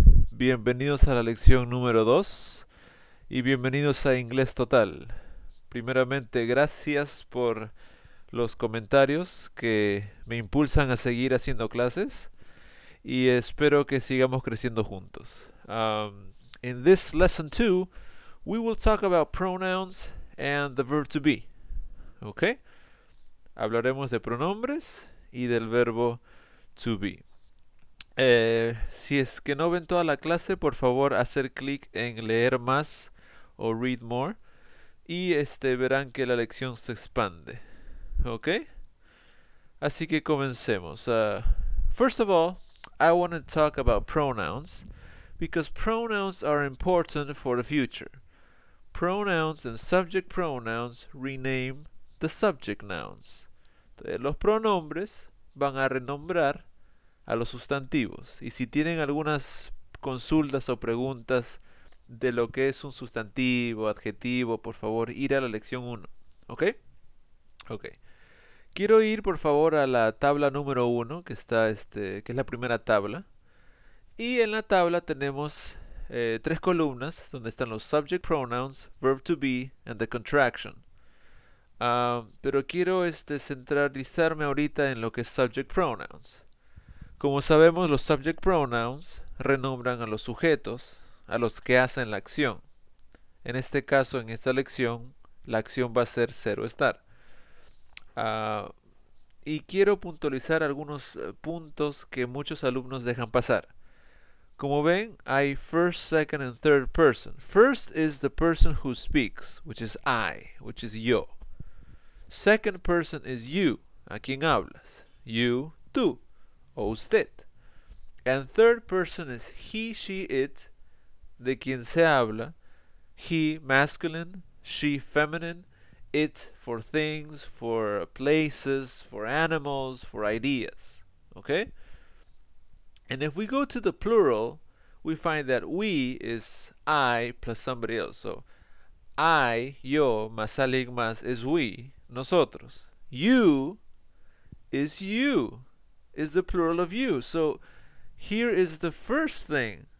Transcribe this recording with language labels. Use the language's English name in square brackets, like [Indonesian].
[Spanish] Bienvenidos a la lección número 2 y bienvenidos a Inglés Total. Primeramente, gracias por los comentarios que me impulsan a seguir haciendo clases y espero que sigamos creciendo juntos. [English] In this lesson 2, we will talk about pronouns and the verb to be. Okay? [Spanish] Hablaremos de pronombres y del verbo to be. Si es que no ven toda la clase, por favor, hacer clic en leer más o read more. Y verán que la lección se expande. ¿Ok? Así que comencemos. [English] First of all, I want to talk about pronouns. Because pronouns are important for the future. Pronouns and subject pronouns rename the subject nouns. [Spanish] Entonces, los pronombres van a renombrar a los sustantivos. Y si tienen algunas consultas o preguntas de lo que es un sustantivo, adjetivo, por favor, ir a la lección 1. ¿Ok? Ok. Quiero ir, por favor, a la tabla número 1, que está que es la primera tabla. Y en la tabla tenemos tres columnas, donde están los subject pronouns, verb to be, and the contraction. Pero quiero centralizarme ahorita en lo que es subject pronouns. Como sabemos, los subject pronouns renombran a los sujetos, a los que hacen la acción. En este caso, en esta lección, la acción va a ser ser o estar. Y quiero puntualizar algunos puntos que muchos alumnos dejan pasar. Como ven, hay first, second, and third person. [English] First is the person who speaks, which is I, which is yo. Second person is you, a quien hablas. You, tú. O usted. And third person is he, she, it, de quien se habla. He, masculine. She, feminine. It, for things, for places, for animals, for ideas. Okay? And if we go to the plural, we find that we is I plus somebody else. [Spanish] So, I, yo, más alguien más, is we, nosotros. [English] You is you. Is the plural of you. So, here is the first thing.